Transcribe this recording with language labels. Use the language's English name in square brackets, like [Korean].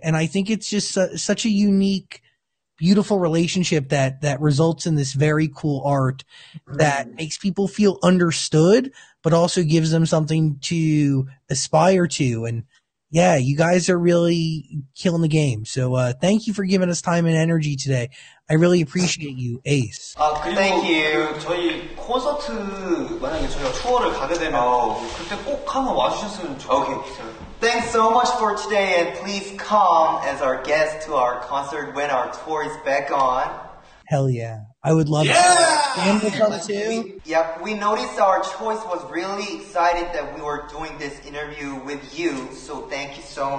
[English] And I think it's just such a unique, beautiful relationship that results in this very cool art that makes people feel understood, but also gives them something to aspire to. And yeah, you guys are really killing the game. So thank you for giving us time and energy today. I really appreciate you, Ace. Thank you. [Korean] 저희 콘서트 만약에 저희가 투어를 가게 되면 그때 꼭 한번 와주셨으면 좋겠어요. [English] Thanks so much for today, and please come as our guest to our concert when our tour is back on. Hell yeah. I would love yeah! to come too. Yep, we noticed our choice was really excited that we were doing this interview with you, so thank you so